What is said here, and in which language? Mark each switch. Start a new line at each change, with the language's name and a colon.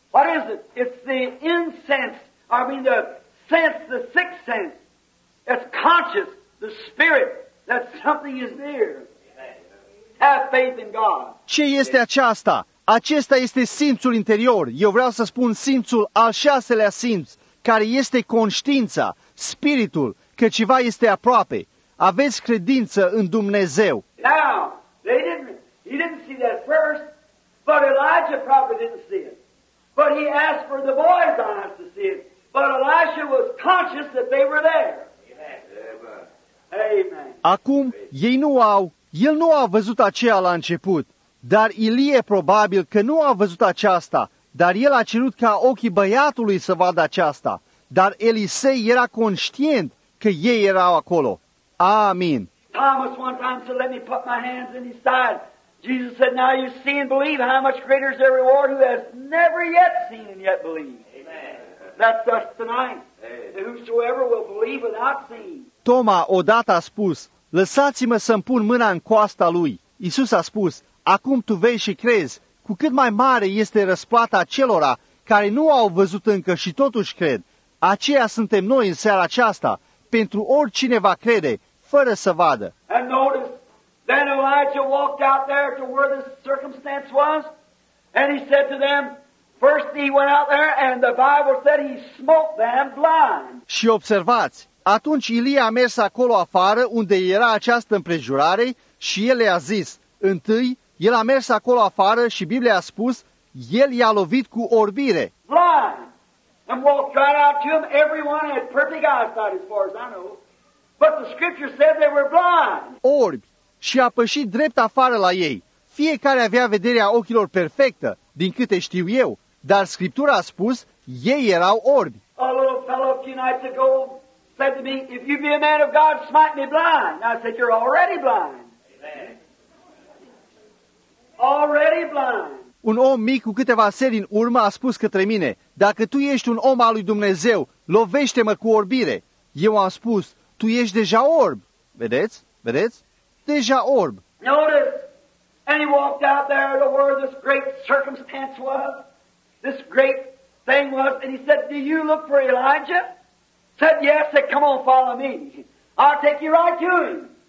English: What is it? It's the incense, I mean the sense, the sixth sense. It's conscious, the spirit, that something is near. Have faith in God.
Romanian: Ce este aceasta? Acesta este simțul interior. Eu vreau să spun simțul al șaselea simț, care este conștiința, spiritul, că ceva este aproape. Aveți credință în Dumnezeu.
English: Now, he didn't see that first, but Elijah probably didn't see it. But he asked for the boys on us to see it. But Elisha was conscious that they were there. Amen.
Romanian: Acum, ei nu au, el nu a văzut aceea la început, dar Ilie probabil că nu a văzut aceasta, dar el a cerut ca ochii băiatului să vadă aceasta, dar Elisei era conștient că ei erau acolo. Amin.
English: Thomas one time said, let me put my hands in his side. Jesus said, now you see and believe. How much greater is their reward who has never yet seen and yet believed. Amen. That's us tonight. And whosoever will believe without seeing.
Romanian: Toma odată a spus, lăsați-mă să-mi pun mâna în coasta lui. Iisus a spus, acum tu vei și crezi, cu cât mai mare este răsplata celora care nu au văzut încă și totuși cred. Aceia suntem noi în seara aceasta. Pentru oricine va crede, fără să vadă.
English: And notice, then Elijah walked out there to where the circumstance was, and he said to them, first he went out there, and the Bible said he smote them blind.
Romanian: Și observați, atunci Ilie a mers acolo afară unde era această împrejurare și el le-a zis, întâi, el a mers acolo afară și Biblia a spus, el i-a lovit cu orbire.
English: Blind! And walked right out to him. Everyone had perfect eyesight as far as I know. But the scripture said they were blind.
Romanian: Orbi. Și a pășit drept afară la ei. Fiecare avea vederea ochilor perfectă, din câte știu eu. Dar scriptura a spus, ei erau orbi.
English: A little fellow a few nights ago said to me, if you be a man of God, smite me blind. And I said, you're already blind. Amen. Already blind.
Romanian: Un om mic cu câteva seri în urmă a spus către mine, dacă tu ești un om al lui Dumnezeu, lovește-mă cu orbire. Eu am spus, tu ești deja orb. Vedeți? Vedeți? Deja orb.
English: Notice, and he walked out there to where this great circumstance was, this great thing was, and he said, do you look for Elijah? Said, yes, said, come on, follow me. I'll take you right to him.